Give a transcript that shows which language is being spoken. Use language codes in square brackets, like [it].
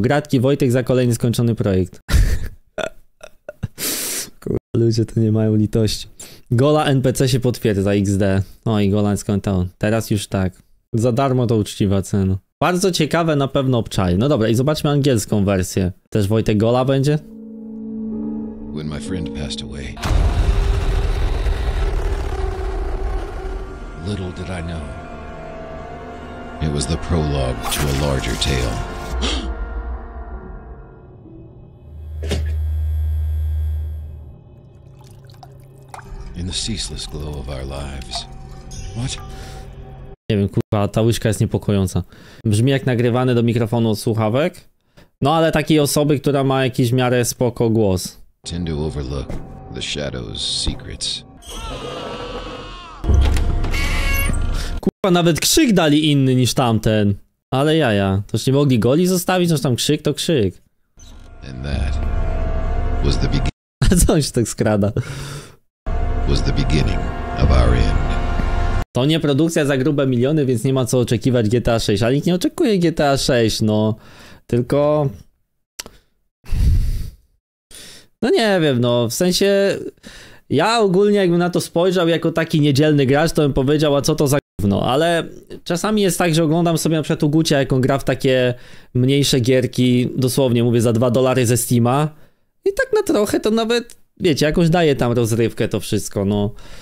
[pl] Gratki Wojtek za kolejny skończony projekt. Kurwa, ludzie to nie mają litości. Gola NPC się potwierdza, XD. O, i Gola skończył. Teraz już tak. Za darmo to uczciwa cena. Bardzo ciekawe, na pewno obczaj. No dobra, i zobaczmy angielską wersję. Też Wojtek Gola będzie? [en] When my friend passed away, little did I know, it was the prologue to a larger tale. In the ceaseless glow of our lives. What? [pl] Nie wiem, kurwa, ta łyżka jest niepokojąca. Brzmi jak nagrywany do mikrofonu od słuchawek. No ale takiej osoby, która ma jakiś w miarę spoko głos. [en] Tend to overlook the shadows' secrets. [pl] Kurwa, nawet krzyk dali inny niż tamten. Ale jaja, toż nie mogli Goli zostawić, noż tam krzyk to krzyk. [en] And that was the beginning. [pl] A co on się tak skrada? [en] Was the beginning of our end. [pl] To nie produkcja za grube miliony, więc nie ma co oczekiwać GTA 6, ale nikt nie oczekuje GTA 6, no, tylko, no nie wiem, no, w sensie, Ja ogólnie jakbym na to spojrzał jako taki niedzielny gracz, to bym powiedział, a co to za gówno, ale czasami jest tak, że oglądam sobie na przykład u Gucia, jak on gra w takie mniejsze gierki, dosłownie mówię, za $2 ze Steama i tak na trochę to nawet, wiecie, jakoś daje tam rozrywkę to wszystko, no.